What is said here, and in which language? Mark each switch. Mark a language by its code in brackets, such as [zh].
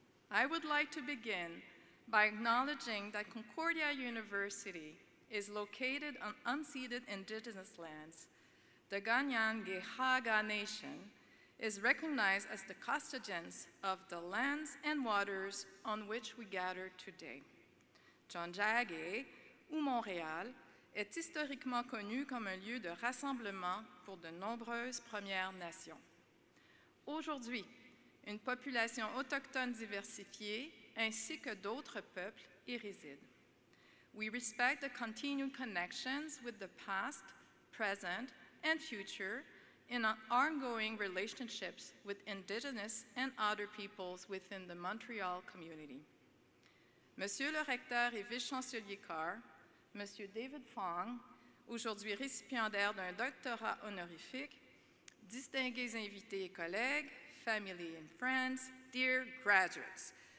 [en] I would like to begin by acknowledging that Concordia University is located on unceded indigenous lands. The Ganyan Gehaga Nation is recognized as the custodians of the lands and waters on which we gather today. [fr] John Jagay, ou Montréal, est historiquement connu comme un lieu de rassemblement pour de nombreuses Premières Nations. Aujourd'hui, une population autochtone diversifiée ainsi que d'autres peuples y résident. [en] We respect the continued connections with the past, present, and future in ongoing relationships with Indigenous and other peoples within the Montreal community. [fr] Monsieur le recteur et vice-chancelier Carr, Monsieur David Fong, aujourd'hui récipiendaire d'un doctorat honorifique, distingués invités et collègues, [en] family and friends, dear graduates.